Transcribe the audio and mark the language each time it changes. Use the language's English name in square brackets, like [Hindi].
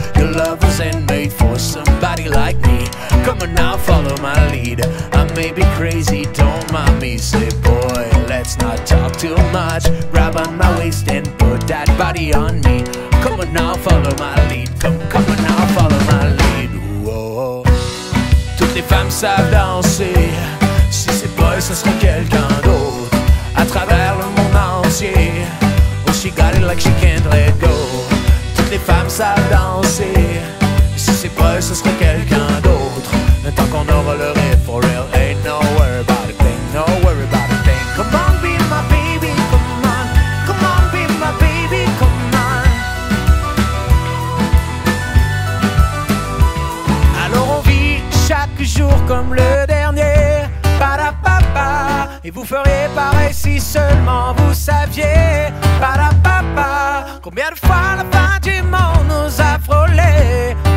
[English] Your love wasn't made for somebody like me. Come on now, follow my lead. I may be crazy, don't mind me. Say, boy, let's not talk too much. Grab on my waist and put that body on me. Come on now, follow my lead. Come, come on now, follow my lead. Whoa. [French] Toutes les femmes savent danser. Si c'est boy, ça sera quelqu'un d'autre. À travers le monde entier. [English] Oh, she got it like she can't let go. [French] Toutes les femmes savent danser. Si c'est boy, ça sera quelqu'un d'autre. Et tant qu'on aura le rêve [English] for real. Ain't no worry about a thing, no worry about a thing. Come on, be my baby, come on. Come on, be my baby, come on. [French] Alors on vit chaque jour comme le dernier. Parapapa. Et vous feriez pareil si seulement vous saviez. Parapapa. Combien de fois la fin du monde nous a frôlés.